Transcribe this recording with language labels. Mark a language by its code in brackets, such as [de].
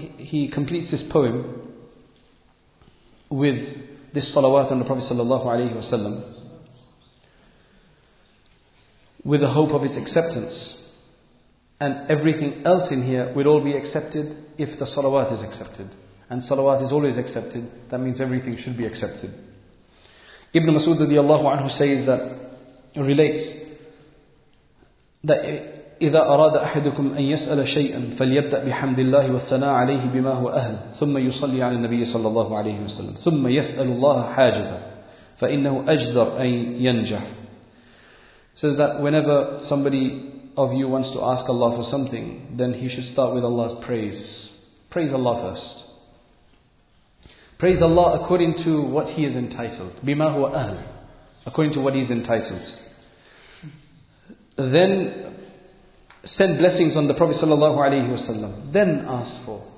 [en] He completes this poem with this salawat on the Prophet sallallahu alaihi wasallam, with the hope of its acceptance, and everything else in here will all be accepted if the salawat is accepted. And salawat is always accepted. That means everything should be accepted. Ibn Mas'ud radiallahu anhu says that, relates that [ar] إذا أراد أحدكم أن يسأل شيئا فليبدأ بحمد الله والثناء عليه بما هو أهل ثم يصلي على النبي صلى الله عليه وسلم ثم يسأل الله حاجته فإنه أجدر أن ينجح. [en] Says that whenever somebody of you wants to ask Allah for something, then he should start with Allah's praise. Praise Allah first. Praise Allah according to what he is entitled. Bima huwa ahl. According to what he is entitled. Then send blessings on the Prophet sallallahu alayhi wa sallam. Then ask for.